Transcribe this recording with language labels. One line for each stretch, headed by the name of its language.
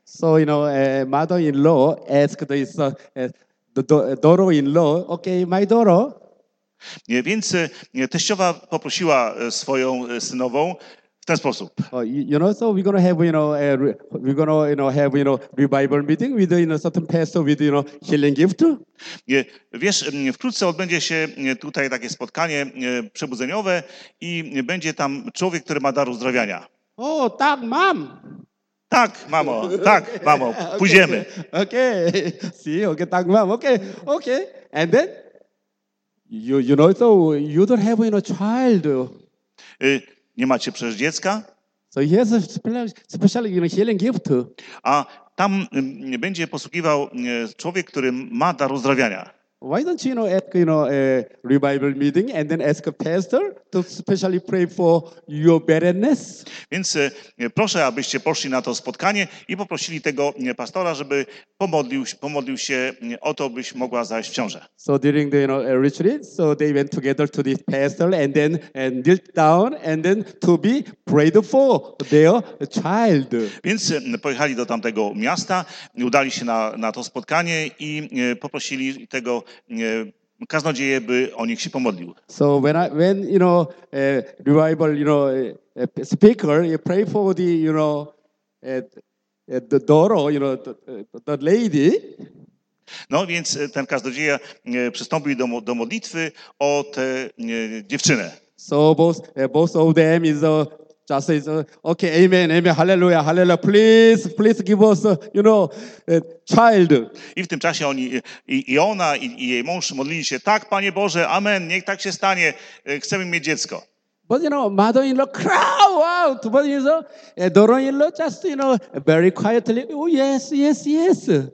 English: So, you know, mother-in-law asked his daughter-in-law, okay, my daughter.
Polish: Nie, więc teściowa poprosiła swoją synową w ten sposób.
English: You know, so we're gonna have, you know, we're gonna, you know, have, you know, revival meeting with, you know, certain pastor with, you know, healing gift.
Polish: Nie, wiesz, wkrótce odbędzie się tutaj takie spotkanie przebudzeniowe i będzie tam człowiek, który ma dar uzdrawiania. O, oh, tak, mam. Tak, mamo, okay, pójdziemy. Okay, tak, mam, okay.
English: And then, you know, so you don't have, you know, child.
Polish: Nie macie przecież dziecka?
English: So he has a special, you know, healing gift.
Polish: A tam będzie posługiwał człowiek, który ma dar uzdrawiania.
English: Why don't you, you know, ask, you know, a revival meeting and then ask a pastor to specially pray for your barrenness?
Polish: Więc proszę, abyście poszli na to spotkanie i poprosili tego pastora, żeby pomodlił się o to, byś mogła zajść w ciążę.
English: So during the, you know, retreat, so they went together to this pastor and then and knelt down and then to be prayed for their child.
Polish: Więc pojechali do tamtego miasta, udali się na to spotkanie i poprosili tego kaznodzieje, by o nich się pomodlił.
English: So when you know a revival, you know, a speaker, you pray for the, you know, the door, you know, the lady.
Polish: No więc ten kaznodzieja przystąpił do modlitwy o tę dziewczynę.
English: So both of them is a, just is a, okay, amen, amen, hallelujah, hallelujah, please give us, you know, a child.
Polish: I w tym czasie oni, i ona, i jej mąż modlili się, tak, Panie Boże, amen, niech tak się stanie, chcemy mieć dziecko.
English: But, you know, mother-in-law cry out, but, you know, daughter-in-law just, you know, very quietly, oh, yes, yes, yes.